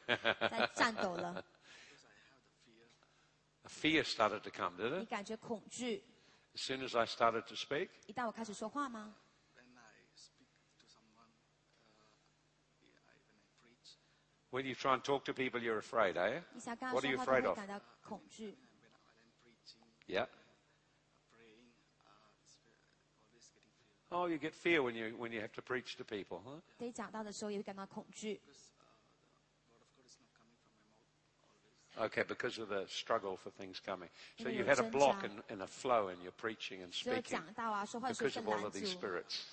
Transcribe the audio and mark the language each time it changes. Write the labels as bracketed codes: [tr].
[zh] 在颤抖了。 [en] Fear started to come, did it? [zh] 你感觉恐惧。 [en] As soon as I started to speak, [zh] 一旦我开始说话吗？ [en] When I speak to someone, when I preach, when you try and talk to people, you're afraid, are you? [zh] 你想跟他说话，就会感到恐惧。 [en] Yeah. Oh, you get fear when you have to preach to people, huh? [zh] 对，讲到的时候也会感到恐惧。 [en] Okay, because of the struggle for things coming. So you had a block and a flow in your preaching and speaking because of all of these spirits.